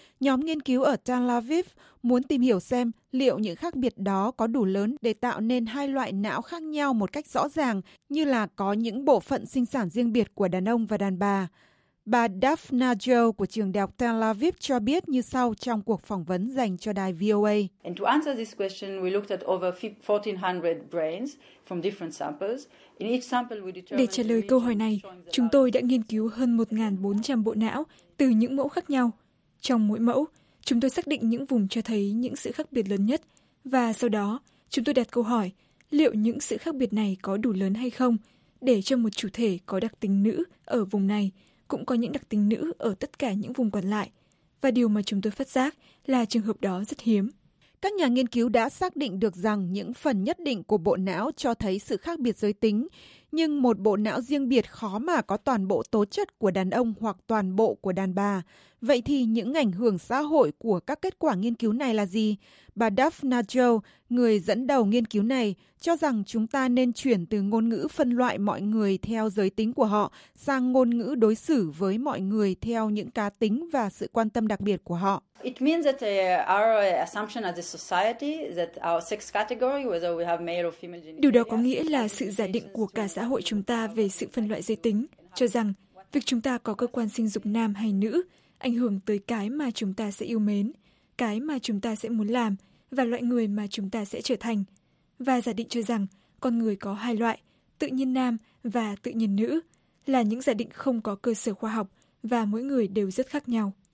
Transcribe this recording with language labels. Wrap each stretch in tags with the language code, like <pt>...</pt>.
<vi>Nhóm nghiên cứu ở Tel Aviv muốn tìm hiểu xem liệu những khác biệt đó có đủ lớn để tạo nên hai loại não khác nhau một cách rõ ràng, như là có những bộ phận sinh sản riêng biệt của đàn ông và đàn bà. Bà Daphna Joe của trường đại học Tel Aviv cho biết như sau trong cuộc phỏng vấn dành cho đài VOA.</vi> <en>And to answer this question, we looked at over 1400 brains from different samples.</en> <vi>Để trả lời câu hỏi này, chúng tôi đã nghiên cứu hơn 1.400 bộ não từ những mẫu khác nhau. Trong mỗi mẫu, chúng tôi xác định những vùng cho thấy những sự khác biệt lớn nhất, và sau đó chúng tôi đặt câu hỏi liệu những sự khác biệt này có đủ lớn hay không để cho một chủ thể có đặc tính nữ ở vùng này cũng có những đặc tính nữ ở tất cả những vùng còn lại. Và điều mà chúng tôi phát giác là trường hợp đó rất hiếm. Các nhà nghiên cứu đã xác định được rằng những phần nhất định của bộ não cho thấy sự khác biệt giới tính, nhưng một bộ não riêng biệt khó mà có toàn bộ tố chất của đàn ông hoặc toàn bộ của đàn bà. Vậy thì những ảnh hưởng xã hội của các kết quả nghiên cứu này là gì? Bà Daphna Joe, người dẫn đầu nghiên cứu này, cho rằng chúng ta nên chuyển từ ngôn ngữ phân loại mọi người theo giới tính của họ sang ngôn ngữ đối xử với mọi người theo những cá tính và sự quan tâm đặc biệt của họ.</vi> <en>It means that our assumption as a society that our sex category, whether we have male or female genitalia.</en> <vi>Điều đó có nghĩa là sự giả định của cả xã hội chúng ta về sự phân loại giới tính, cho rằng việc chúng ta có cơ quan sinh dục nam hay nữ ảnh hưởng tới cái mà chúng ta sẽ yêu mến, cái mà chúng ta sẽ muốn làm và loại người mà chúng ta sẽ trở thành. Và giả định cho rằng con người có hai loại, tự nhiên nam và tự nhiên nữ, là những giả định không có cơ sở khoa học và mỗi người đều rất khác nhau.</vi>